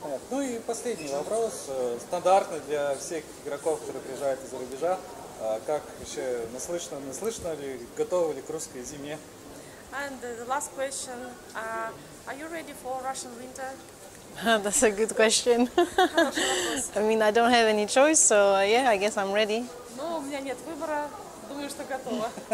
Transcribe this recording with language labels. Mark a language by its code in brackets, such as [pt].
[ru] Ну и последний вопрос, стандартный для всех игроков, которые приезжают из-за рубежа. Как вообще наслышно ли, готовы ли к русской зиме? [en] And the last question, are you ready for Russian winter? That's a good question. I mean, I don't have any choice, so yeah, I guess I'm ready. [ru] Ну, у меня нет выбора, думаю, что готова.